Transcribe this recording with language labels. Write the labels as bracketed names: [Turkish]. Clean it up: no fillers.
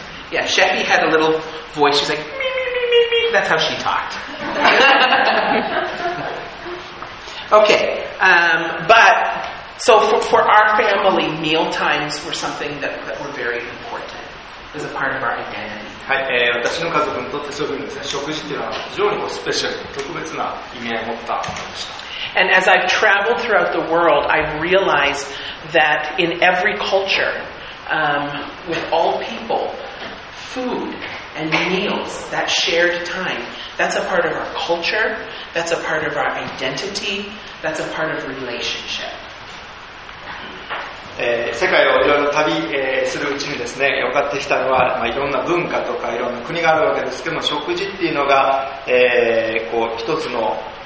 [English] Yeah, Sheppy had a little voice. She's like, me, me, me, me, me. That's how she talked. okay, but so for our family, meal times were something that were very important. It was a part of our identity. [Japanese] はい、私の家族にとってそういうふうにですね、食事というのは非常にこうスペシャル、特別な意味合いを持ったものでした。 [English] And as I've traveled throughout the world, I've realized that in every culture,with all people, food and meals, that shared time, that's a part of our culture, that's a part of our identity, that's a part of relationship. [Japanese] 世界をいろいろ旅、するうちにですね、分かってきたのは、まあ、いろんな文化とかいろんな国があるわけですけども、食事っていうのが、こう一つの